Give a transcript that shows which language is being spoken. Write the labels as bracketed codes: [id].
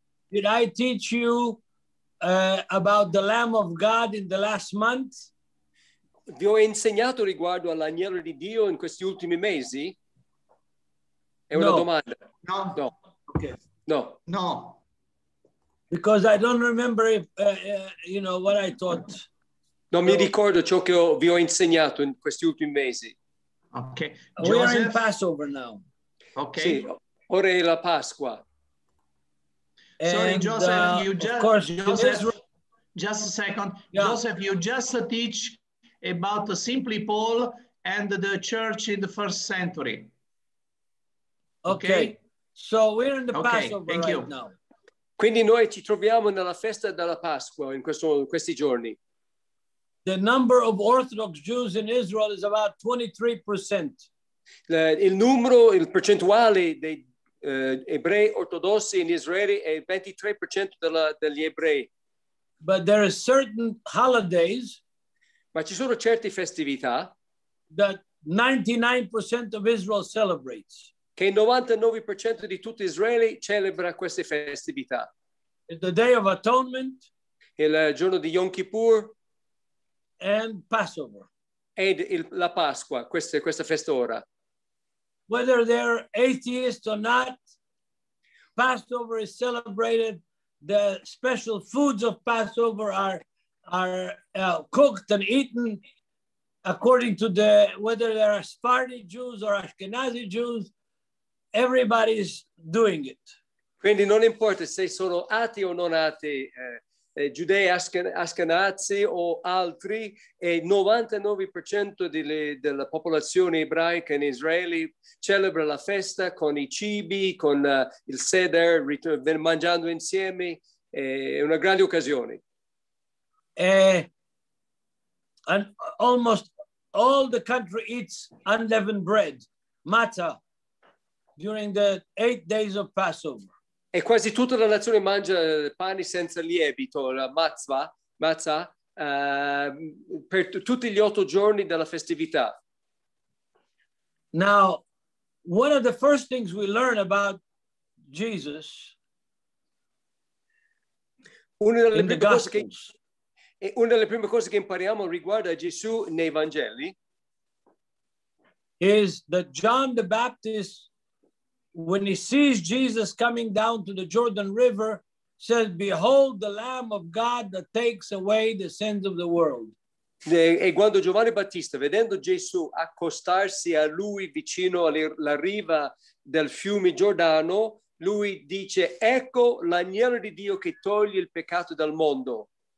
[en] Did I teach you about the Lamb of God in the last month? [it] Vi ho insegnato riguardo all'agnello di Dio in questi ultimi mesi? È una domanda. No. No. Okay. No. No. [en] Because I don't remember if you know what I taught. [it] Non mi ricordo ciò che vi ho insegnato in questi ultimi mesi. Okay. [en] We are in Passover now. [it] Okay. Sì. Ora è la Pasqua. [en] Sorry, Joseph, just a second. Yeah. Joseph, you just teach about simply Paul and the church in the first century. Okay. So we're in the Passover right you. Now. [it] Quindi noi ci troviamo nella festa della Pasqua in questi giorni. [en] The number of Orthodox Jews in Israel is about 23%. [it] Il percentuale dei ebrei ortodossi in Israele è 23% degli ebrei. [en] But there are certain holidays. [it] Ma ci sono certe festività. [en] That 99% of Israel celebrates. [it] Che il 99% di tutto Israele celebra queste festività. [en] The Day of Atonement. [it] Il giorno di Yom Kippur. [en] And Passover. [it] Ed la Pasqua, questa festa. [en] Whether they're atheists or not, Passover is celebrated. The special foods of Passover are cooked and eaten according to the, whether they are Sephardi Jews or Ashkenazi Jews, everybody is doing it. [it] Quindi non importa se sono atei o non atei, giudei, Ashkenazi o altri, e 99% della popolazione ebraica in Israele celebra la festa con i cibi, con il seder, mangiando insieme. È una grande occasione. [en] And almost all the country eats unleavened bread, matzah, during the 8 days of Passover. [it] E quasi tutta la nazione mangia pani senza lievito, la matzah, per tutti gli 8 giorni della festività. [en] Now, one of the first things we learn about Jesus [it] una delle prime cose che impariamo riguardo a Gesù nei Vangeli [en] is that John the Baptist, when he sees Jesus coming down to the Jordan River, says, "Behold the Lamb of God that takes away the sins of the world." [it] E quando Giovanni Battista, vedendo Gesù accostarsi a lui vicino alla riva del fiume Giordano, lui dice: ecco l'agnello di Dio che toglie il peccato dal mondo.